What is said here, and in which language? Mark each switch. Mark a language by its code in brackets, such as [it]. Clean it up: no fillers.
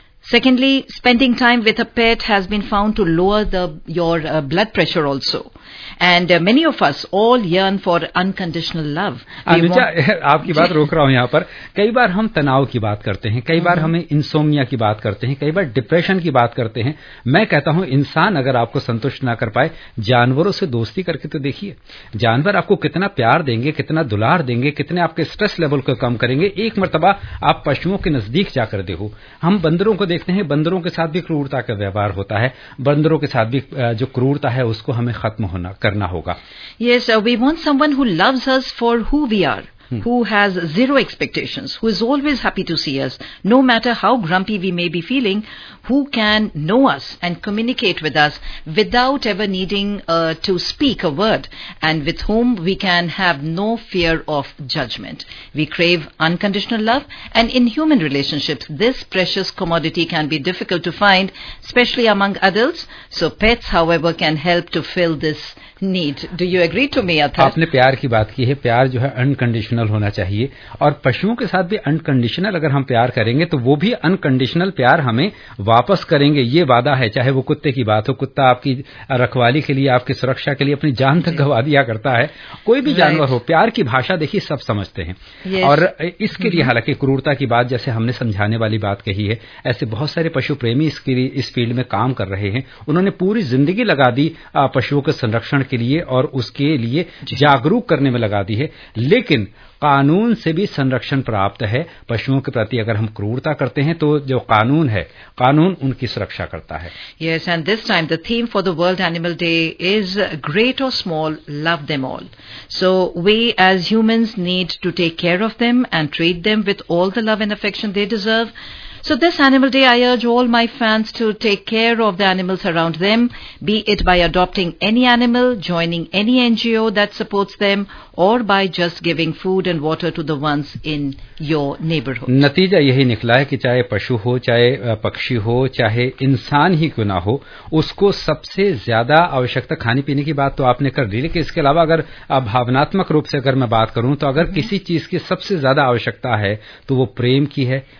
[en] Secondly, spending time with a pet has been found to lower your blood pressure also. And many of us all yearn for unconditional love. [hi] Anuja, आपकी बात रोक रहा हूँ यहाँ पर. कई बार हम तनाव की बात करते हैं, कई बार हमें इंसोमिया की बात करते हैं, कई बार डिप्रेशन की बात करते हैं. मैं कहता हूँ इंसान अगर आपको संतुष्ट ना कर पाए, जानवरों से दोस्ती करके तो देखिए. जानवर आपको कितना प्यार देंगे, कितना दुलार देंगे, कितने आपके स्ट्रेस लेवल को कम करेंगे. एक मरतबा आप पशुओं के नजदीक जाकर देखो. हम बंदरों को देखते हैं, बंदरों के साथ भी क्रूरता का व्यवहार होता है. बंदरों के साथ भी जो क्रूरता है उसको हमें खत्म करना होगा. [en] Yes, we want someone who loves us for who we are. Who has zero expectations, who is always happy to see us, no matter how grumpy we may be feeling, who can know us and communicate with us without ever needing to speak a word, and with whom we can have no fear of judgment. We crave unconditional love, and in human relationships, this precious commodity can be difficult to find, especially among adults. So pets, however, can help to fill this need. Do you agree to me, Athar? [hi] आपने प्यार की बात की है. प्यार जो है unconditional होना चाहिए, और पशुओं के साथ भी अनकंडीशनल अगर हम प्यार करेंगे तो वो भी अनकंडीशनल प्यार हमें वापस करेंगे. ये वादा है. चाहे वो कुत्ते की बात हो, कुत्ता आपकी रखवाली के लिए, आपकी सुरक्षा के लिए अपनी जान तक गवा दिया करता है. कोई भी जानवर हो, प्यार की भाषा देखिए सब समझते हैं. और इसके लिए हालांकि क्रूरता की बात जैसे हमने समझाने वाली बात कही है, ऐसे बहुत सारे पशु प्रेमी इस फील्ड में काम कर रहे हैं. उन्होंने पूरी जिंदगी लगा दी पशुओं के संरक्षण के लिए और उसके लिए जागरूक करने में लगा दी है. लेकिन कानून से भी संरक्षण प्राप्त है. पशुओं के प्रति अगर हम क्रूरता करते हैं तो जो कानून है, कानून उनकी सुरक्षा करता है. [en] Yes, and this time the theme for the World Animal Day is great or small, love them all. So we as humans need to take care of them and treat them with all the love and affection they deserve. So this Animal Day, I urge all my fans to take care of the animals around them, be it by adopting any animal, joining any NGO that supports them, or by just giving food and water to the ones in your neighborhood. [hi] नतीजा यही निकला है कि चाहे पशु हो, चाहे पक्षी हो, चाहे इंसान ही क्यों ना हो, उसको सबसे ज्यादा आवश्यकता खाने पीने की बात तो आपने कर दी, लेकिन इसके अलावा अगर भावनात्मक रूप से अगर मैं बात करूं तो अगर किसी चीज की सबसे ज्यादा आवश्यकता है तो वो प्रेम की है.